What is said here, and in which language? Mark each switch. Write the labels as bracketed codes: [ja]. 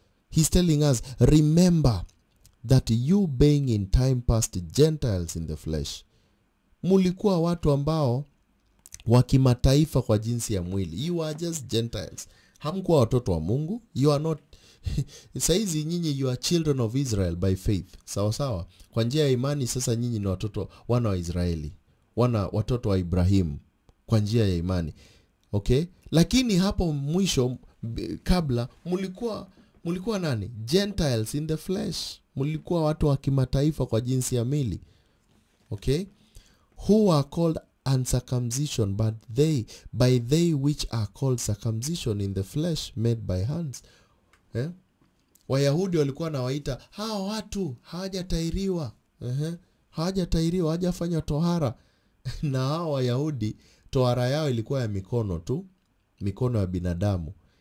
[en] He's telling us, remember that you being in time past Gentiles in the flesh. [sw] Mlikuwa watu ambao wa kimataifa kwa jinsi ya mwili. [en] You are just Gentiles. [sw] Hamkuwa watoto wa Mungu. [en] You are not [sw] saizi nyinyi [en] you are children of Israel by faith. [sw] Sawa sawa. Kwa njia ya imani sasa nyinyi ni watoto wana wa Israeli. Wana watoto wa Ibrahim kwa njia ya imani. Okay? Lakini hapo mwisho kabla mlikuwa nani? [en] Gentiles in the flesh. [sw] Mlikuwa watu wa kimataifa kwa jinsi ya mili. [en] Okay? Who are called uncircumcision, but they by they which are called circumcision in the flesh made by hands. [sw] Wayahudi walikuwa nawaita hao watu hawajatahiriwa. Hawajatahiriwa, hawajafanya tohara. Na hao Wayahudi tohara yao ilikuwa ya mikono tu, mikono ya binadamu.